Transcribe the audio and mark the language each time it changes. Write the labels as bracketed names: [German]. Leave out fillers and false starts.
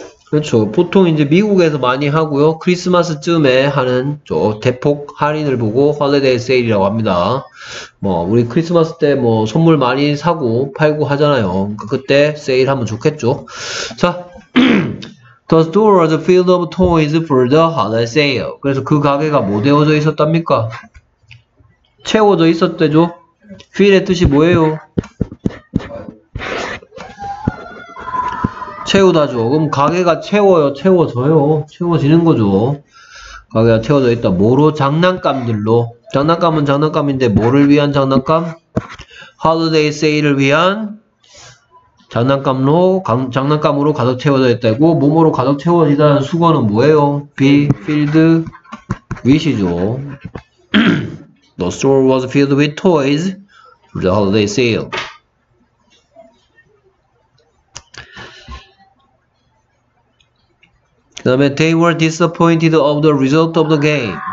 [Korean] 그렇죠. 보통 이제 미국에서 많이 하고요. 크리스마스쯤에 하는 저 대폭 할인을 보고 홀리데이 세일이라고 합니다. 뭐 우리 크리스마스 때뭐 선물 많이 사고 팔고 하잖아요. 그때 세일하면 좋겠죠. [English] 자, The store is filled of toys for the holiday sale. [Korean] 그래서 그 가게가 뭐 되어져 있었답니까? 채워져 있었대죠. Fill의 뜻이 뭐예요? 채우다죠. 그럼 가게가 채워요, 채워져요, 채워지는 거죠. 가게가 채워져 있다. 뭐로? 장난감들로. 장난감은 장난감인데 뭐를 위한 장난감? 홀리데이 세일을 위한 장난감으로 장난감으로 가득 채워져 있다고. 뭐뭐로 가득 채워지다는 수거는 뭐예요? [English] Be filled with이죠. The store was filled with toys for the holiday sale. [Korean] 그 다음에 [English] they were disappointed of the result of the game.